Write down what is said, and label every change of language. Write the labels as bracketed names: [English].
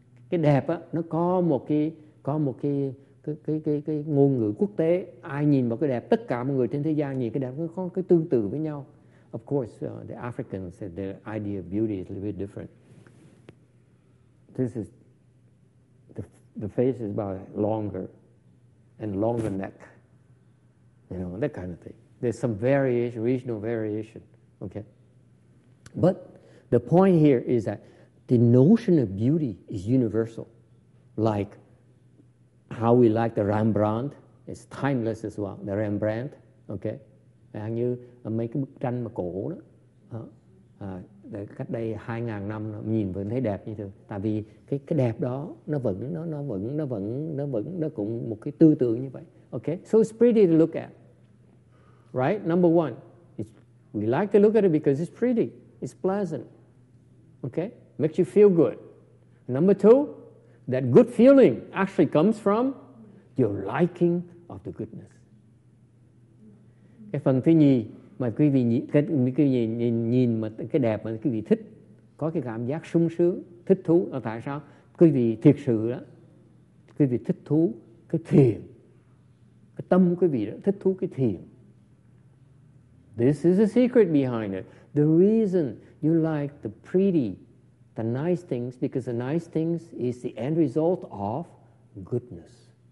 [Vietnamese] Cái đẹp á, nó có một cái ngôn ngữ quốc tế. Ai nhìn vào cái đẹp, tất cả mọi người trên thế gian nhìn cái đẹp nó có cái tương tự với nhau. [English] Of course, the Africans said their idea of beauty is a little bit different. This is the face is about longer and longer neck. You know, that kind of thing. There's some variation, regional variation, okay? But the point here is that the notion of beauty is universal. Like how we like the Rembrandt, it's timeless as well, the Rembrandt, okay? [Vietnamese] Hình như mấy cái bức tranh mà cổ đó, cách đây 2000 năm nhìn vẫn thấy đẹp như thường. Tại vì cái đẹp đó nó cũng một cái tư tưởng như vậy. [English] Okay, so it's pretty to look at, right? Number one, we like to look at it because it's pretty, it's pleasant, okay? Makes you feel good. Number two, that good feeling actually comes from your liking of the goodness. [Vietnamese] Cái phần thứ nhì mà quý vị nhìn mà cái đẹp mà quý vị thích, có cái cảm giác sung sướng, thích thú. Là tại sao? Quý vị thiệt sự đó, quý vị thích thú cái thiền. Cái tâm quý vị đó thích thú cái thiền. [English] This is the secret behind it. The reason you like the pretty, the nice things, because the nice things is the end result of goodness.